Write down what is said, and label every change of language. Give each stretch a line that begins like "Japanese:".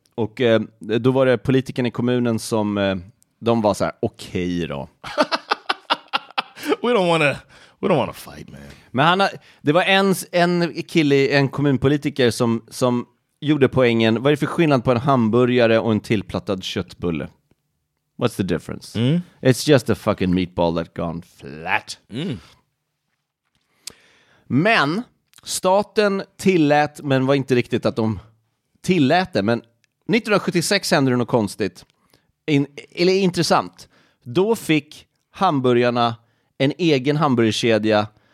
Swedish: Och då var det politiken i kommunen som, de var så här, okej då.
English: We don't want to fight, man.
Swedish: Men han har, det var en kille, en kommunpolitiker som gjorde poängen. Vad är det för skillnad på en hamburgare och en tillplattad köttbulle?
English: What's the difference? Mm. It's just a fucking meatball that gone flat. Mm.
Swedish: Men staten tillät, men var inte riktigt att de tillät det. Men 1976 hände det något konstigt. Eller intressant. Då fick hamburgarna en egen hamburgerkedja.